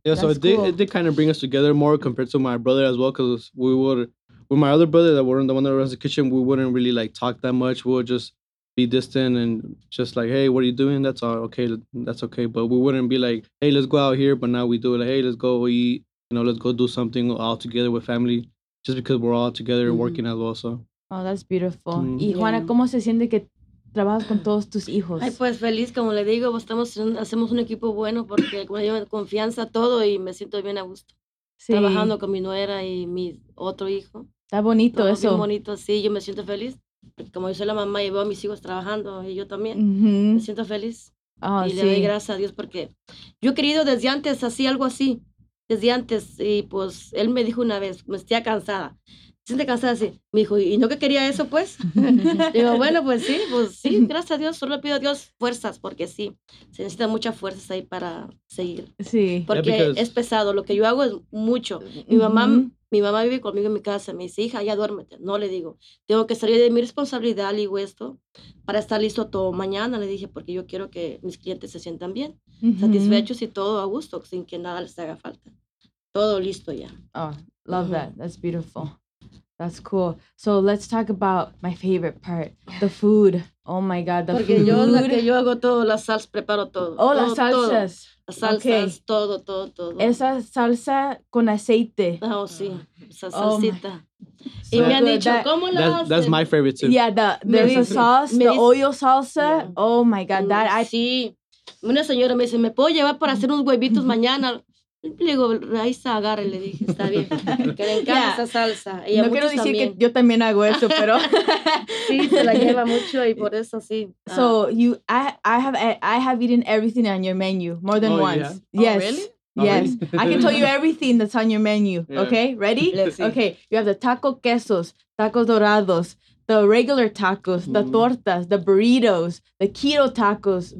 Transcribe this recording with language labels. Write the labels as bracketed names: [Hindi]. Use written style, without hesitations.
[English] It did kind of bring us together more compared to my brother as well, because with my other brother that weren't the one that runs the kitchen, we wouldn't really like talk that much. We'll just be distant and just like, hey, what are you doing? That's all okay. That's okay. But we wouldn't be like, hey, let's go out here. But now we do it. Like, hey, let's go eat. You know, let's go do something all together with family, just because we're all together working as well. So. Oh, that's beautiful. Mm-hmm. [Spanish] Y Juana, ¿cómo se siente que trabajas con todos tus hijos? Ay, pues feliz, como le digo, hacemos un equipo bueno porque como yo confianza todo y me siento bien a gusto trabajando con mi nuera y mi otro hijo. Está bonito. Todo eso. Bien bonito, sí. Yo me siento feliz. Como yo soy la mamá y veo a mis hijos trabajando y yo también, me siento feliz. Le doy gracias a Dios porque yo he querido desde antes así, algo así, desde antes. Y pues él me dijo una vez, me estoy cansada. ¿Se siente cansada? Sí. Me dijo, ¿y no que quería eso, pues? Digo, bueno, pues sí, gracias a Dios. Solo pido a Dios fuerzas porque sí, se necesitan muchas fuerzas ahí para seguir. Sí. Porque es pesado. Lo que yo hago es mucho. Mi mamá vive conmigo en mi casa. Me dice, hija, ya duérmete. No, le digo. Tengo que salir de mi responsabilidad, le digo esto, para estar listo todo mañana, le dije, porque yo quiero que mis clientes se sientan bien, satisfechos y todo a gusto, sin que nada les haga falta. Todo listo ya. [English] Oh, love that. That's beautiful. That's cool. So let's talk about my favorite part, the food. Oh my God, the [Spanish] porque [English] food. [Spanish] Porque yo hago todo, las salsas, preparo todo. Oh, las salsas. Todo. Salsas, [English] okay. [Spanish] todo. Esa salsa con aceite. Oh, sí. Esa salsita. Oh, y me han dicho, ¿cómo la hacen? [English] That's my favorite, too. Yeah, the oil salsa. Yeah. Oh, my God. [Spanish] Sí. Una señora me dice, ¿me puedo llevar para hacer unos huevitos mañana? Le digo, Raisa, agarre, le dije, está bien, que le encanta esa salsa. Y no quiero decir también. Que yo también hago eso, pero sí, se la lleva mucho y por eso sí. [English] So you, I have eaten everything on your menu more than once. Yeah. Yes. Oh, really? Yes, I can tell you everything that's on your menu. Yeah. Okay, ready? Let's see. Okay, you have the taco quesos, tacos dorados, the regular tacos, the tortas, the burritos, the keto tacos.